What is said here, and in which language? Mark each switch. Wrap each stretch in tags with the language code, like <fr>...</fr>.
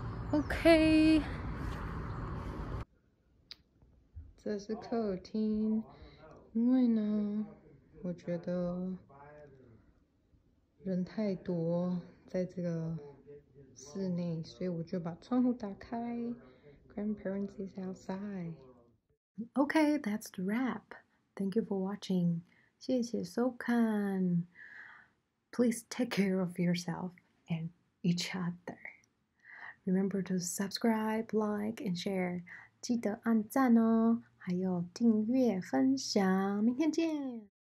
<zh>OK， 这是客厅，因为呢，我觉得人太多在这个室内，所以我就把窗户打开。</zh> <en>Grandparents is outside. Okay, that's the wrap. Thank you for watching.</en> <zh>谢谢收看。</zh> <en>Please take care of yourself and each other. Remember to subscribe, like, and share.</en> <zh>记得按赞哦，还有订阅、分享。明天见。</zh>